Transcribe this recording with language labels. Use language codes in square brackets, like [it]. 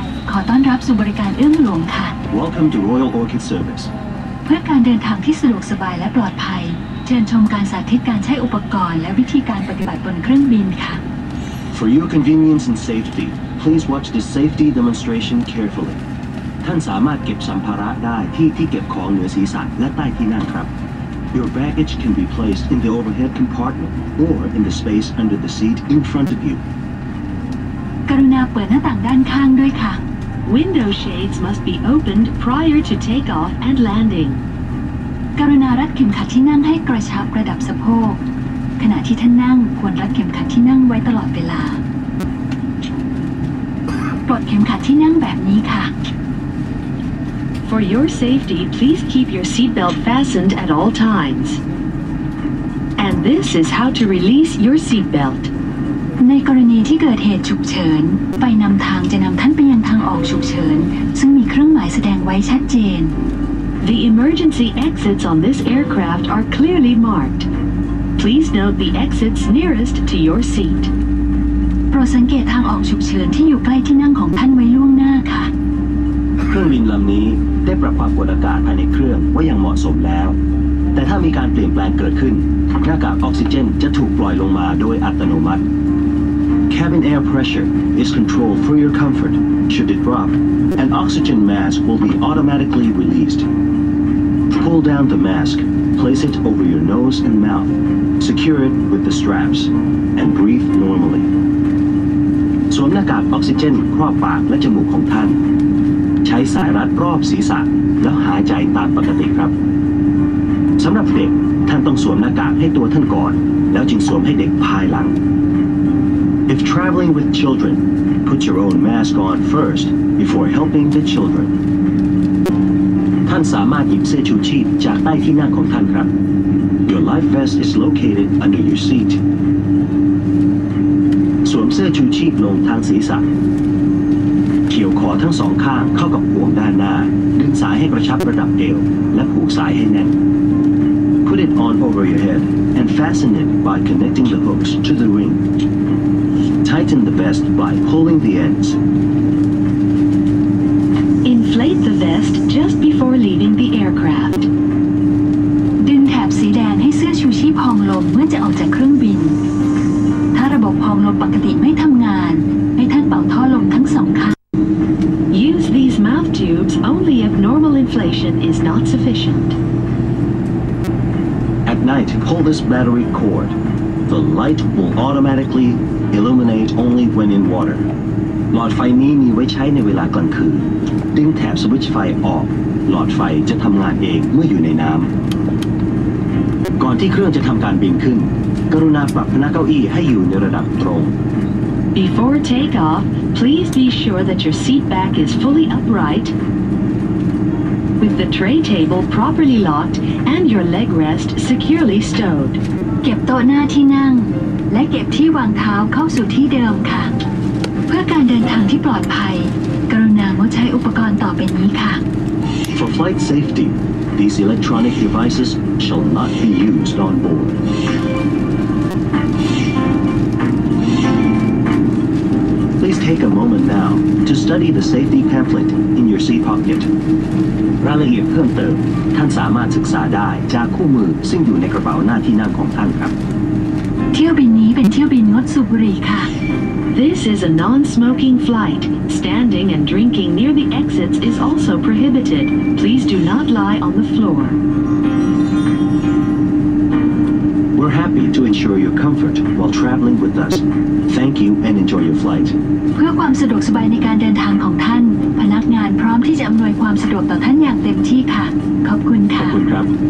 [th] ขอต้อนรับสู่บริการเอื้อมหลวงค่ะ [en] Welcome to Royal Orchid Service. [th] เพื่อการเดินทางที่สะดวกสบายและปลอดภัยเชิญชมการสาธิตการใช้อุปกรณ์และวิธีการปฏิบัติบนเครื่องบินค่ะ [en] For your convenience and safety, please watch this safety demonstration carefully. [th] ท่านสามารถเก็บสัมภาระได้ที่ที่เก็บของเหนือศีรษะและใต้ที่นั่งครับ [en] Your baggage can be placed in the overhead compartment or in the space under the seat in front of you. [th] กรุณาเปิดหน้าต่างด้านข้างด้วยค่ะ [en] Window shades must be opened prior to takeoff and landing. [th] กรุณารัดเข็มขัดที่นั่งให้กระชับระดับสะโพกขณะที่ท่านนั่งควรรัดเข็มขัดที่นั่งไว้ตลอดเวลาปลดเข็มขัดที่นั่งแบบนี้ค่ะ [en] For your safety, please keep your seat belt fastened at all times. And this is how to release your seat belt. [th] ในกรณีที่เกิดเหตุฉุกเฉินไฟนำทางจะนำท่านไปยังทางออกฉุกเฉินซึ่งมีเครื่องหมายแสดงไว้ชัดเจน [en] The emergency exits on this aircraft are clearly marked. Please note the exits nearest to your seat. [th] โปรดสังเกตทางออกฉุกเฉินที่อยู่ใกล้ที่นั่งของท่านไว้ล่วงหน้าค่ะ เครื่องบินลำนี้ได้ปรับความกดอากาศภายในเครื่องว่ายังเหมาะสมแล้วแต่ถ้ามีการเปลี่ยนแปลงเกิดขึ้นหน้ากากออกซิเจนจะถูกปล่อยลงมาโดยอัตโนมัติ [en] Cabin air pressure is controlled for your comfort. Should it drop, an oxygen mask will be automatically releasedPull down the mask, place it over your nose and mouth, secure it with the straps, and breathe normally. [th] สวมหน้ากากออกซิเจนครอบปากและจมูกของท่านใช้สายรัดรอบศีรษะแล้วหายใจตามปกติครับสำหรับเด็กท่านต้องสวมหน้ากากให้ตัวท่านก่อนแล้วจึงสวมให้เด็กภายหลัง [en] If traveling with children, put your own mask on first before helping the children. [th] ท่านสามารถหยิบเสื้อชูชีพจากใต้ที่นั่งของท่านครับ [en] Your life vest is located under your seat. [th] สวมเสื้อชูชีพลงทางศีรษะเกี่ยวคอทั้งสองข้างเข้ากับห่วงด้านหน้าดึงสายให้กระชับระดับเอวและผูกสายให้แน่น [en] Put it on over your head and fasten it by connecting the hooks to the ring. Tighten the vest by pulling the ends. Inflate the vest just before leaving the aircraft. [th] ดึงแถบสีแดงให้เสื้อชูชีพพองลมเมื่อจะออกจากเครื่องบินถ้าระบบพองลมปกติไม่ทำงานให้ท่านเป่าท่อลมทั้งสองข้าง [en] Use these mouth tubes only if normal inflation is not sufficient. At night, pull this battery cord. The light will automatically illuminate only when in water. [th] หลอดไฟนี้มีไว้ใช้ในเวลากลางคืนดึงแถบสวิตช์ไฟออกหลอดไฟจะทำงานเองเมื่ออยู่ในน้ำก่อนที่เครื่องจะทำการบินขึ้นกรุณาปรับพนักเก้าอี้ให้อยู่ในระดับตรง [en] Before takeoff, please be sure that your seat back is fully upright with the tray table properly locked and your leg rest securely stowed. [th] เก็บโต๊ะหน้าที่นั่งและเก็บที่วางเท้าเข้าสู่ที่เดิมค่ะเพื่อการเดินทางที่ปลอดภัยกรุณางดใช้อุปกรณ์ต่อไปนี้ค่ะ [en] For flight safety, these electronic devices shall not be used on board. Please take a moment now to study the safety pamphlet in your seat pocket. [th] รายละเอียดเพิ่มเติมท่านสามารถศึกษาได้จากคู่มือซึ่งอยู่ในกระเป๋าหน้าที่นั่งของท่านครับ เที่ยวบินนี้เป็นเที่ยวบินงดสูบบุหรี่ค่ะ [en] This is a non-smoking flight. Standing and drinking near the exits is also prohibited. Please do not lie on the floor. We're happy to ensure your comfort while traveling with us. Thank you and enjoy your flight. [th] เพื่อความสะดวกสบายในการเดินทางของท่านพนักงานพร้อมที่จะอำนวยความสะดวกต่อท่านอย่างเต็มที่ค่ะขอบคุณค่ะ ขอบคุณครับ